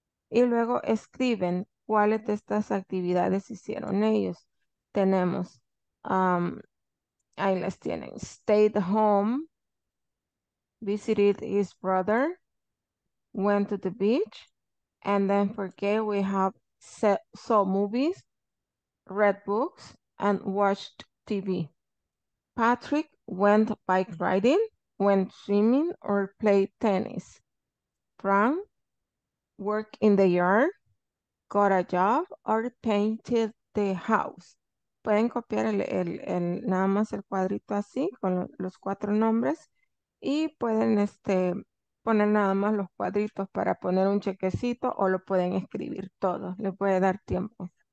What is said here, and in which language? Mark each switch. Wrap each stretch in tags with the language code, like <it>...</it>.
<es>Y luego escriben cuáles de estas actividades hicieron ellos. Tenemos, ahí las tienen,</es> <en>stayed home, visited his brother, went to the beach, and then for Gay we have saw movies, read books, and watched TV. Patrick went bike riding, went swimming, or played tennis. Frank worked in the yard, got a job, or painted the house.</en> <es>pueden copiar el nada más el cuadrito así con los cuatro nombres y pueden poner nada más los cuadritos para poner un chequecito o lo pueden escribir todo, le puede dar tiempo.</es>